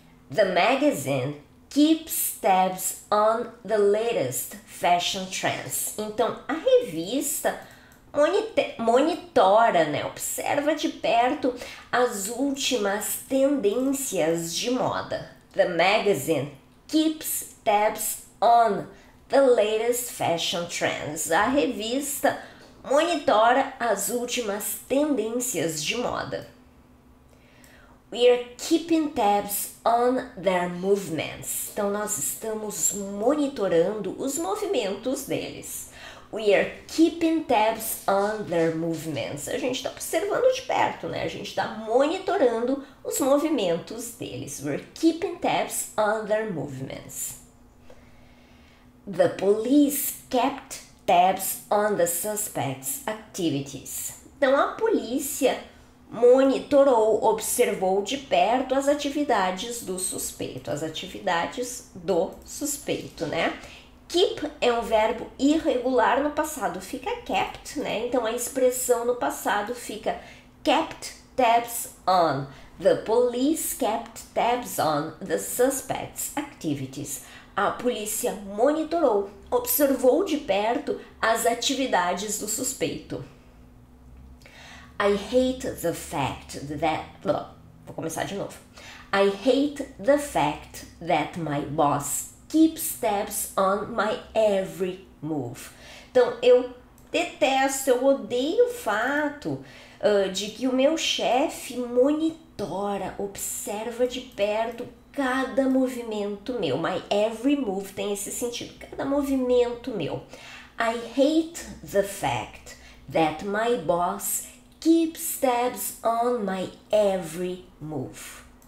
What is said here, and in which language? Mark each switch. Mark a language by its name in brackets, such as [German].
[English] The magazine keeps tabs on the latest fashion trends. [Portuguese] Então, a revista monitora, né? Observa de perto as últimas tendências de moda. [English] The magazine keeps tabs on the latest fashion trends. [Portuguese] A revista monitora as últimas tendências de moda. [English] We are keeping tabs on their movements. [Portuguese] Então, nós estamos monitorando os movimentos deles. [English] We are keeping tabs on their movements. [Portuguese] A gente está observando de perto, né? A gente está monitorando os movimentos deles. [English] We're keeping tabs on their movements. The police kept tabs on the suspect's activities. [Portuguese] Então, a polícia monitorou, observou de perto as atividades do suspeito, as atividades do suspeito, né? Keep é um verbo irregular no passado, fica kept, né? Então, a expressão no passado fica [English] kept tabs on. The police kept tabs on the suspect's activities. [Portuguese] A polícia monitorou, observou de perto as atividades do suspeito. [English] I hate the fact that... [Portuguese] Vou começar de novo. [English] I hate the fact that my boss keeps tabs on my every move. [Portuguese] Então, eu detesto, eu odeio o fato de que o meu chefe monitora, observa de perto cada movimento meu. [English] My every move [Portuguese] tem esse sentido, cada movimento meu. [English] I hate the fact that my boss keeps tabs on my every move.